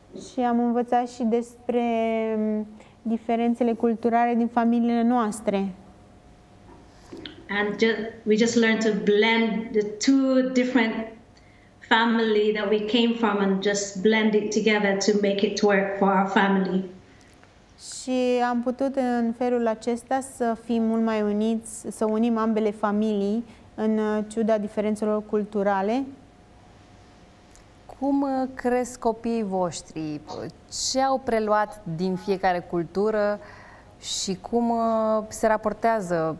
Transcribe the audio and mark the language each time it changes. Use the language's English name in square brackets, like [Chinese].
[Romanian] Și am învățat și despre diferențele culturale din familiile noastre. [English] And we just learn to blend the two different family that we came from and just blend it together to make it work for our family. [Romanian] Și am putut în felul acesta să fim mult mai uniți, să unim ambele familii în ciuda diferențelor culturale. Cum cresc copiii voștri? Ce au preluat din fiecare cultură și cum se raportează?